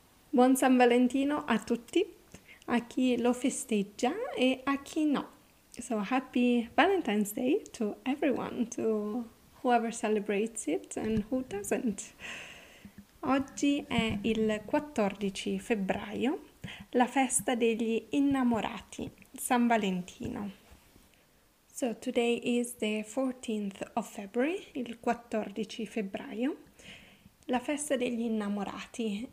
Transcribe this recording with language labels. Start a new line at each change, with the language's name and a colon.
Italian: Buon San Valentino a tutti, a chi lo festeggia e a chi no.
English: So happy Valentine's Day to everyone, to whoever celebrates it and who doesn't.
Italian: Oggi è il 14 febbraio, la festa degli innamorati, San Valentino.
English: So today is the 14th of February,
Italian: il 14 febbraio, la festa degli innamorati.